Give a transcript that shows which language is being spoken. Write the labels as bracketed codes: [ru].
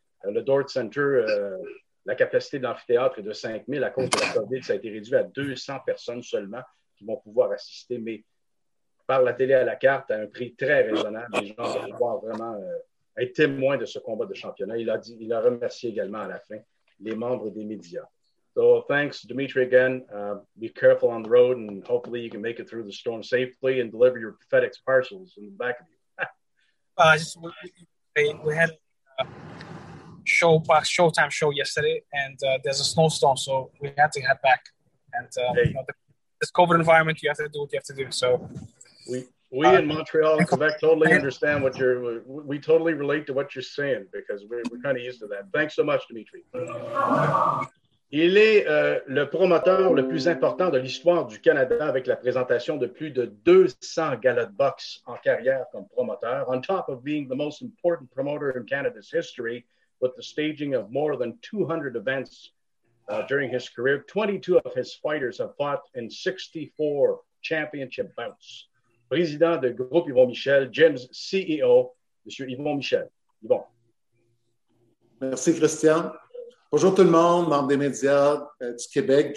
[fr] Le Dort Center, la capacité de l'amphithéâtre est de 5 000. À cause de la COVID, ça a été réduit à 200 personnes seulement qui vont pouvoir assister, mais par la télé à la carte, à un prix très raisonnable, les gens vont pouvoir vraiment... est témoin de ce combat de championnat. Il a remercié également à la fin les membres des médias. [en] So, thanks, Dimitri, again. Be careful on the road, and hopefully you can make it through the storm safely and deliver your FedEx parcels in the back of you. we had Showtime show yesterday, and there's a snowstorm, so we had to head back. And this COVID environment, you have to do what you have to do. So, We in Montreal and Quebec totally understand what you're... We totally relate to what you're saying because we're kind of used to that. Thanks so much, Dimitri. [fr] Il est le promoteur le plus important de l'histoire du Canada avec la présentation de plus de 200 galas de boxe en carrière comme promoteur. [en] On top of being the most important promoter in Canada's history with the staging of more than 200 events during his career, 22 of his fighters have fought in 64 championship bouts. [fr] Président de groupe Yvon Michel, Gyms CEO, M. Yvon Michel. Yvon. Merci, Christian. Bonjour tout le monde, membres des médias du Québec.